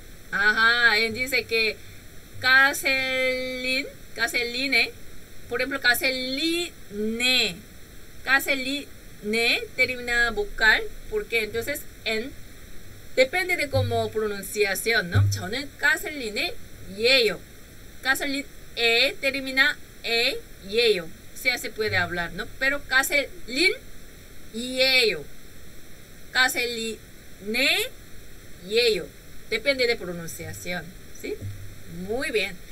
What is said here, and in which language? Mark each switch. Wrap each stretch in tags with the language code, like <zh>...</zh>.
<es>Ajá, él dice que Caseline, por ejemplo, Caseline termina vocal, porque entonces en depende de cómo pronunciación, ¿no?</es> <ko>저는 Caseline 예요.</ko> <es>Caseline e termina e 예요. Sí, así puede hablar, ¿no? Pero</es> <ko>Caseline 예요. Caseline 예요.</ko> <es>Depende de pronunciación, ¿sí? Muy bien.</es>